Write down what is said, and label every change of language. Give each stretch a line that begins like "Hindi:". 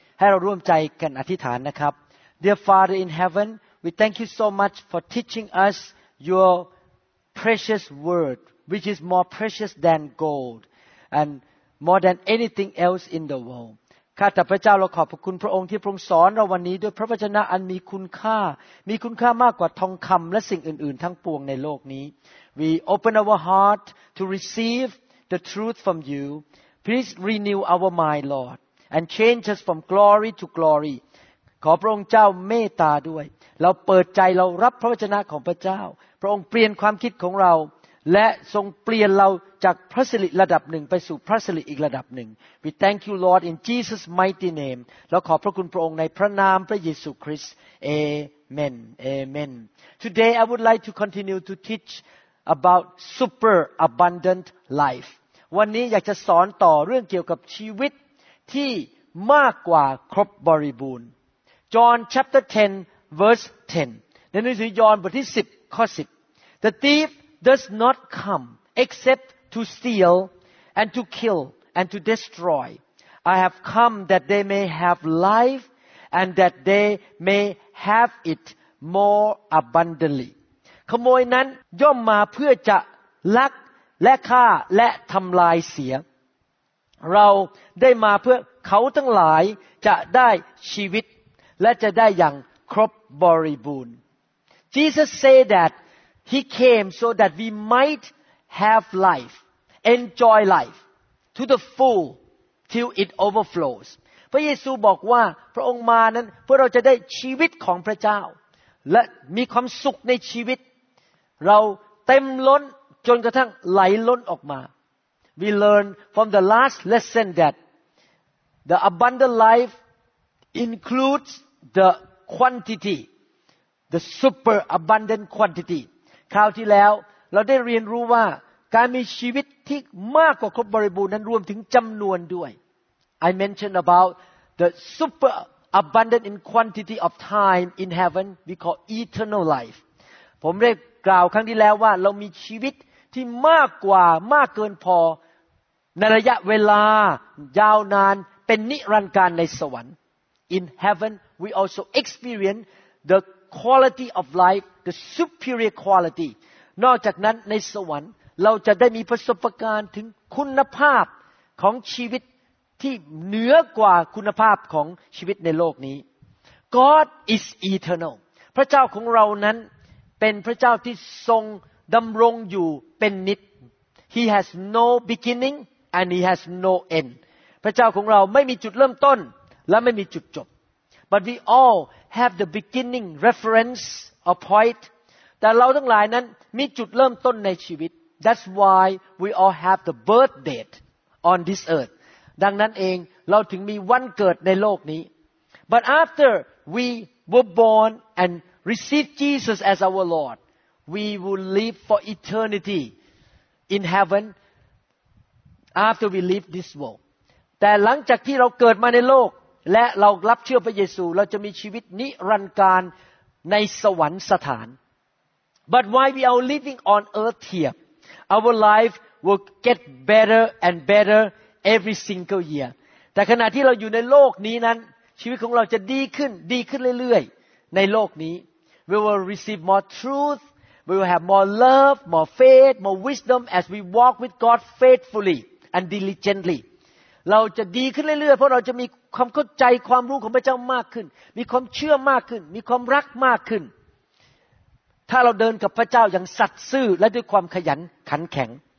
Thai: ให้เราร่วมใจกันอธิษฐานนะครับ
English: Dear Father in heaven, we thank you so much for teaching us your precious word, which is more precious than gold and more than anything else in the world.
Thai: ข้าแต่พระเจ้าเราขอบพระคุณพระองค์ที่ทรงสอนเราวันนี้ด้วยพระวจนะอันมีคุณค่ามีคุณค่ามากกว่าทองคำและสิ่งอื่นๆทั้งปวงในโลกนี้
English: We open our heart to receive the truth from you. Please renew our mind, Lord, and change us from glory to glory.
Thai: ขอพระองค์เจ้าเมตตาด้วยเราเปิดใจเรารับพระวจนะของพระเจ้าพระองค์เปลี่ยนความคิดของเราและทรงเปลี่ยนเราจากพระสิริระดับหนึ่งไปสู่พระสิริอีกระดับหนึ่ง
English: We thank you Lord in Jesus mighty name
Thai: แล้วขอบพระคุณพระองค์ในพระนามพระเยซูคริสต์
English: Amen Amen Today I would like to continue to teach about super abundant life
Thai: วันนี้อยากจะสอนต่อเรื่องเกี่ยวกับชีวิตที่มากกว่าครบบริบูรณ์
English: John chapter 10 verse 10
Thai: ในหนังสือยอห์นบทที่10ข้อ10
English: The thiefDoes not come except to steal and to kill and to destroy. I have come that they may have life and that they may have it more abundantly.
Thai: ขโมยนั้นย่อมมาเพื่อจะลักและฆ่าและทำลายเสียเราได้มาเพื่อเขาทั้งหลายจะได้ชีวิตและจะได้อย่างครบบริบูรณ์
English: Jesus said thatHe came so that we might have life, enjoy life to the full till it overflows.
Thai: พระเยซูบอกว่าพระองค์มานั้นเพื่อเราจะได้ชีวิตของพระเจ้าและมีความสุขในชีวิตเราเต็มล้นจนกระทั่งไหลล้นออกมา
English: We learn from the last lesson that the abundant life includes the quantity, the super abundant quantity.
Thai: คราวที่แล้วเราได้เรียนรู้ว่าการมีชีวิตที่มากกว่าครบบริบูรณ์นั้นรวมถึงจำนวนด้วย
English: I mentioned about the super abundant in quantity of time in heaven we call eternal life
Thai: ผมได้กล่าวครั้งที่แล้วว่าเรามีชีวิตที่มากกว่ามากเกินพอในระยะเวลายาวนานเป็นนิรันดร์กาลในสวรรค์
English: In heaven we also experience thequality of life the superior quality
Thai: นอกจากนั้นในสวรรค์เราจะได้มีประสบการณ์ถึงคุณภาพของชีวิตที่เหนือกว่าคุณภาพของชีวิตในโลกนี้
English: God is eternal
Thai: พระเจ้าของเรานั้นเป็นพระเจ้าที่ทรงดำรงอยู่เป็นนิจ
English: He has no beginning and he has no end
Thai: พระเจ้าของเราไม่มีจุดเริ่มต้นและไม่มีจุดจบ
English: But we allhave the beginning reference or point
Thai: แต่เราทั้งหลายนั้นมีจุดเริ่มต้นในชีวิต
English: that's why we all have the birth date on this earth
Thai: ดังนั้นเองเราถึงมีวันเกิดในโลกนี้
English: but after we were born and received Jesus as our Lord we will live for eternity in heaven after we leave this world
Thai: แต่หลังจากที่เราเกิดมาในโลกและเรารับเชื่อพระเยซูเราจะมีชีวิตนิรันดร์กาลในสวรรคสถาน
English: But why we are living on earth here our life will get better and better every single year
Thai: แต่ขณะที่เราอยู่ในโลกนี้นั้นชีวิตของเราจะดีขึ้นดีขึ้นเรื่อยๆในโลกนี้
English: We will receive more truth we will have more love more faith more wisdom as we walk with God faithfully and diligently
Thai: เราจะดีขึ้นเรื่อยๆเพราะเราจะมีความเข้าใจความรู้ของพระเจ้ามากขึ้นมีความเชื่อมากขึ้นมีความรักมากขึ้นถ้าเราเดินกับพระเจ้าอย่างสัตย์ซื่อและด้วยความขยันขันแข็ง